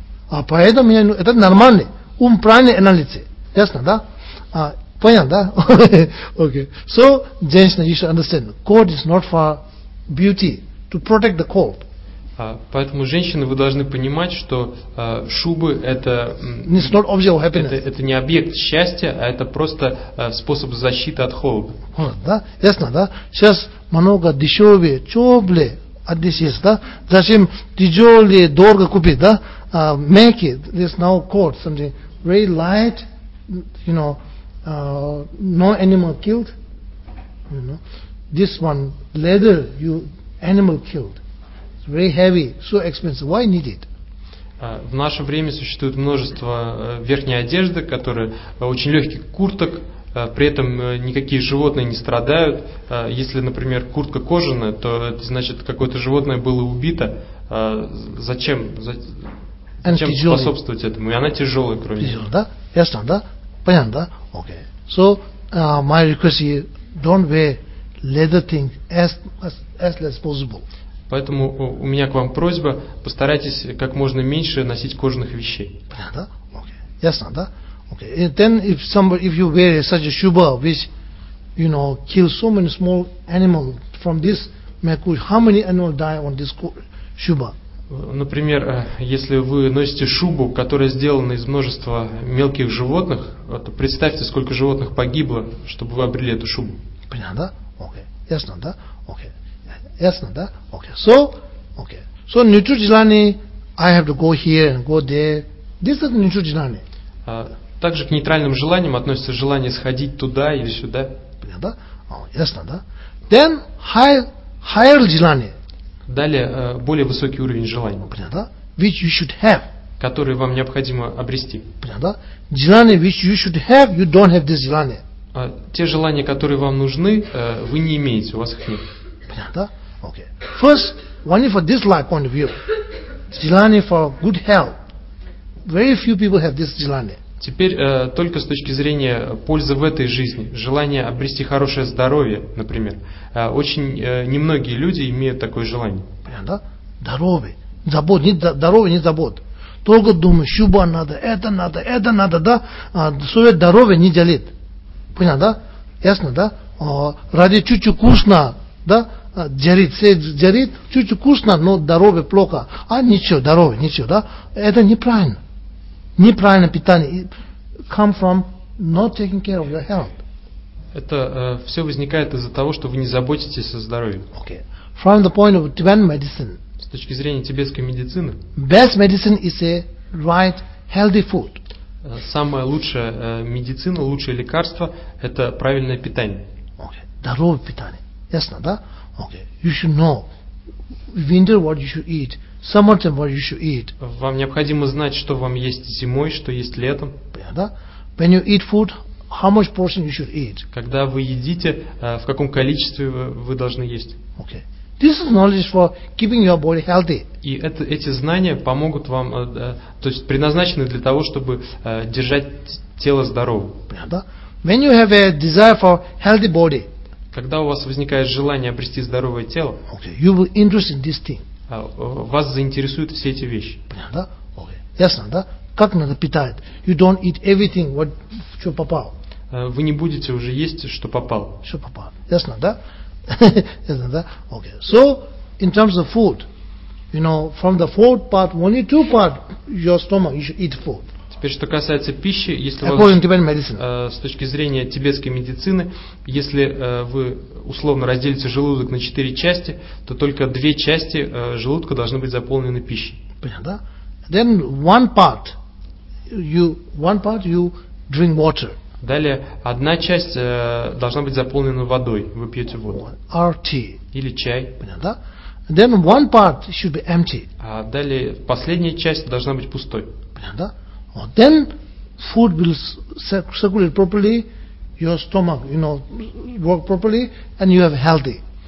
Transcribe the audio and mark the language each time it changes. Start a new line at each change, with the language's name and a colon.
Russian: А поэтому я, это нормальный, ум правильный анализ. Ясно, да? Понятно, да? Okay.
English: So,
Russian: женщина,
English: you should understand, coat is not for beauty, to protect the coat.
Russian: Поэтому, женщины, вы должны понимать, что шубы это,
English: it's not object of happiness.
Russian: Это не объект счастья, а это просто способ защиты от холода. Да? Ясно, да? Сейчас много дешевые, теплые одежды, да? Зачем тяжелые, дорого купить, да? Мягкие,
English: there's now coat, something very light, you know, no animal killed, you know. This one, leather, you animal killed. Very heavy, so expensive. Why need it?
Russian: В наше время существует множество верхней одежды, которые очень легких курток, при этом никакие животные не страдают. Если, например, куртка кожаная, то это значит, какое-то животное было убито. Зачем способствовать этому? И она тяжелая, кроме тяжелая, да? Ясно, да? Понятно, да? Okay.
English: So, my request is, don't wear leather thing as possible.
Russian: Поэтому у меня к вам просьба, постарайтесь как можно меньше носить кожаных вещей. Понятно, да? Okay. Ясно, да? Okay.
English: And then if somebody, if you wear such a shuba which, you know, kills so many small animals from this mekush, how many animals die on this shuba?
Russian: Например, если вы носите шубу, которая сделана из множества мелких животных, то представьте, сколько животных погибло, чтобы вы обрели эту шубу. Понятно, да? Okay. Ясно, да? Okay. Ясно, да? Okay.
English: So, neutral jilani I have to go here and go there. This is nichujinani.
Russian: Также к нейтральным желаниям относится желание сходить туда или сюда. Понятно? Ясно, да?
English: Then higher
Russian: желание. Далее более высокий уровень желаний. Понятно?
English: Which you should have.
Russian: Которые вам необходимо обрести. Понятно? Желание,
English: which you should have, you don't have this
Russian: желание. Те желания, которые вам нужны, вы не имеете, у вас их нет. Понятно? Okay.
English: First, only for this life point of view.
Russian: Желание
English: for good health. Very few people have this желание.
Russian: Теперь только с точки зрения пользы в этой жизни, желание обрести хорошее здоровье, например, очень немногие люди имеют такое желание. Понятно? Здоровье, забот, нет здоровья, нет забот. Только думаешь, шуба надо, это надо, это надо, да? Свое здоровье не делит. Понятно, да? Ясно, да? Ради чуть-чуть вкусно, да? Дерит, все дерит, чуть-чуть вкусно, но здоровье плохо. А ничего, здоровье, ничего, да? Это неправильно. Неправильное питание.
English: It come from not taking care of your health.
Russian: Это все возникает из-за того, что вы не заботитесь о здоровье.
English: Okay. From the point of Tibetan medicine.
Russian: С точки зрения тибетской медицины.
English: Best medicine is a right, healthy food.
Russian: Самая лучшая медицина, лучшее лекарство – это правильное питание.
English: Okay.
Russian: Здоровое питание. Ясно, да?
English: Okay. You should know. Winter what you should eat. Summertime what you should eat.
Russian: Вам необходимо знать, что вам есть зимой, что есть летом. Понятно?
English: When you eat food, how much portion you should eat.
Russian: Когда вы едите, в каком количестве вы должны есть.
English: Okay. This is knowledge for keeping your body healthy.
Russian: И эти знания помогут вам, то есть предназначены для того, чтобы держать тело здоровым. Понятно?
English: When you have a desire for healthy body.
Russian: Когда у вас возникает желание обрести здоровое тело.
English: Okay. You will be interested in this thing.
Russian: Вас заинтересуют все эти вещи. Понятно, да? Okay. Ясно, да? Как надо питает?
English: You don't eat everything, what,
Russian: что попало. Вы не будете уже есть, что попало. Что попало. Ясно, да? Ясно, да? Okay.
English: So, in terms of food, you know, from the fourth part, only two part your stomach, you should eat food.
Russian: Теперь, что касается пищи, если с точки зрения тибетской медицины, если вы условно разделите желудок на четыре части, то только две части желудка должны быть заполнены пищей. Понятно?
English: Then one part you drink water.
Russian: Далее одна часть должна быть заполнена водой. Вы пьете воду.
English: Or tea.
Russian: Или чай. Понятно?
English: Then one part should be empty.
Russian: А далее последняя часть должна быть пустой. Понятно?
English: Then food will circulate properly, your stomach, you know, work properly, and you have healthy.